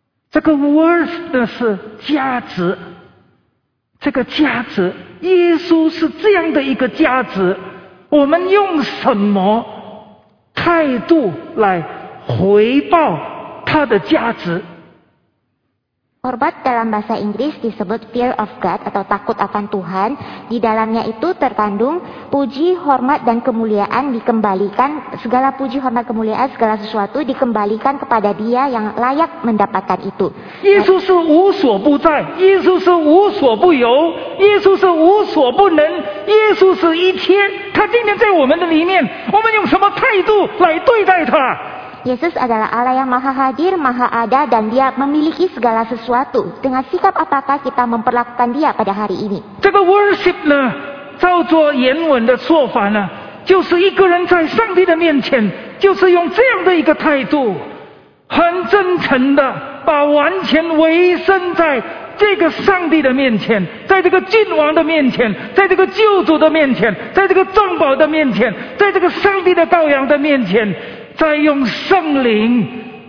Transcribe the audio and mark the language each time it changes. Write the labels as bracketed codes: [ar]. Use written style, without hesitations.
[zh] 这个 worth呢, 是价值, 这个价值, 耶稣是这样的一个价值, 我们用什么态度来回报他的价值? [id] Hormat dalam bahasa Inggris disebut [en] fear of God [id] atau takut akan Tuhan. Di dalamnya itu terkandung puji, hormat, dan kemuliaan dikembalikan. Segala puji, hormat, kemuliaan, segala sesuatu dikembalikan kepada dia yang layak mendapatkan itu. Yesus adalah [zh] 无所不在, Yesus adalah无所不由, Yesus adalah无所不能, Yesus adalah一切,他今天在我们的里面,我们用什么态度来对待他? [id] Yesus adalah Allah yang maha hadir, maha ada, dan dia memiliki segala sesuatu. Dengan sikap apakah kita memperlakukan dia pada hari ini? Ini [zh] worship, 照着原文的说法呢, 就是一个人在上帝的面前, 就是用这样的一个态度, 很真诚的, 把完全委身在这个上帝的面前, 在这个君王的面前, 在这个救主的面前, 在这个众宝的面前, 在这个上帝的羔羊的面前, 在用圣灵